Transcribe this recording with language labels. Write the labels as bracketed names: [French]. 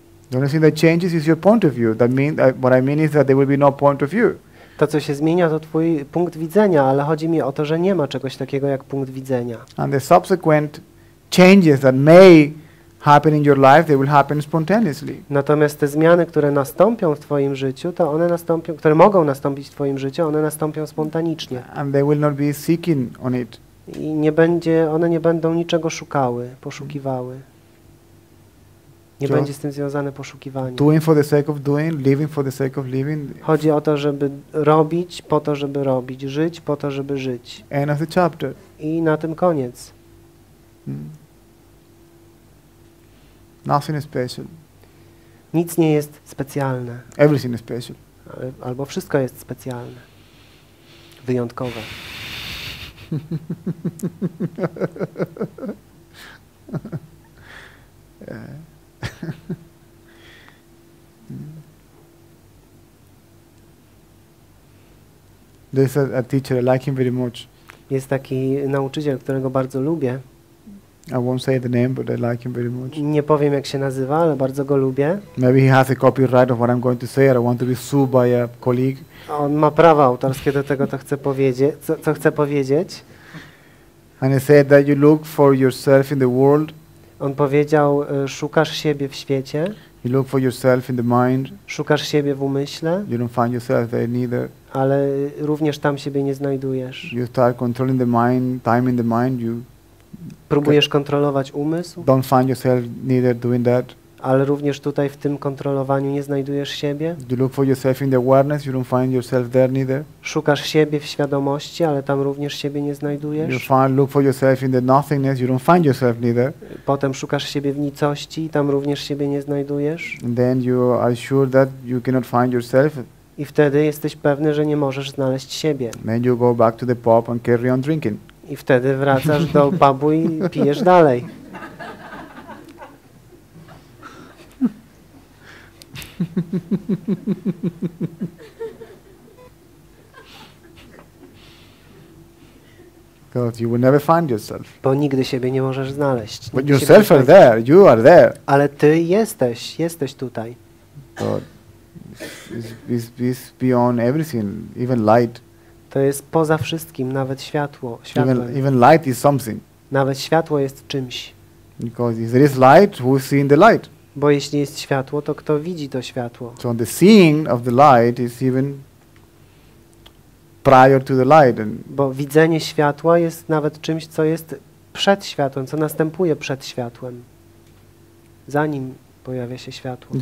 [English] The only thing that changes is your point of view. That means what I mean is that there will be no point of view. [Polish] To, co się zmienia, to twój punkt widzenia, ale chodzi mi o to, że nie ma czegoś takiego jak punkt widzenia. [English] And the subsequent changes that may happen in your life, they will happen spontaneously. [Polish] Natomiast te zmiany, które nastąpią w twoim życiu, to one nastąpią, które mogą nastąpić w twoim życiu, one nastąpią spontanicznie. [English] And they will not be seeking on it. [Polish] I nie będzie, one nie będą niczego szukały, poszukiwały. Nie just będzie z tym związane poszukiwanie. [English] Doing for the sake of doing, living for the sake of living. [Polish] Chodzi o to, żeby robić po to, żeby robić, żyć po to, żeby żyć. [English] End of the chapter. [Polish] I na tym koniec. Hmm. [English] Nothing special. [Polish] Nic nie jest specjalne. [English] Everything is special. [Polish] Albo wszystko jest specjalne. Wyjątkowe. [English] There's a teacher I like him very much. [Polish] Jest taki nauczyciel, którego bardzo lubię. [English] I won't say the name, but I like him very much. [Polish] Nie powiem, jak się nazywa, ale bardzo go lubię. [English] Maybe he has a copyright of what I'm going to say, or I want to be sued by a colleague. [Polish] On ma prawa autorskie do tego, co chce powiedzieć. [English] And he said that you look for yourself in the world. [Polish] On powiedział, szukasz siebie w świecie. [English] You look for yourself in the mind. [Polish] Szukasz siebie w umyśle. [English] You don't find yourself there neither. [Polish] Ale również tam siebie nie znajdujesz. [English] You start controlling the mind, time in the mind. You [Polish] próbujesz kontrolować umysł. [English] Don't find yourself neither doing that. [Polish] Ale również tutaj w tym kontrolowaniu nie znajdujesz siebie. [English] You look for yourself in the awareness. You don't find yourself there neither. [Polish] Szukasz siebie w świadomości, ale tam również siebie nie znajdujesz. [English] You find, look for yourself in the nothingness. You don't find yourself neither. [Polish] Potem szukasz siebie w nicości, tam również siebie nie znajdujesz. [English] And then you are sure that you cannot find yourself. [Polish] I wtedy jesteś pewny, że nie możesz znaleźć siebie. [English] Then you go back to the pub and carry on drinking. [Polish] I wtedy wracasz do pubu i pijesz dalej. [English] You will never find yourself. [Polish] Bo nigdy siebie nie możesz znaleźć. [English] But yourself are there. You are there. [Polish] Ale ty jesteś tutaj. [English] God. It's beyond everything, even light. [Polish] To jest poza wszystkim, nawet światło. [English] Even light is something. [Polish] Nawet światło jest czymś. [English] Because if there is light, who is seeing the light? [Polish] Bo jeśli jest światło, to kto widzi to światło? [English] So the seeing of the light is even prior to the light. And [Polish] bo widzenie światła jest nawet czymś, co jest przed światłem, co następuje przed światłem, zanim pojawia się światło.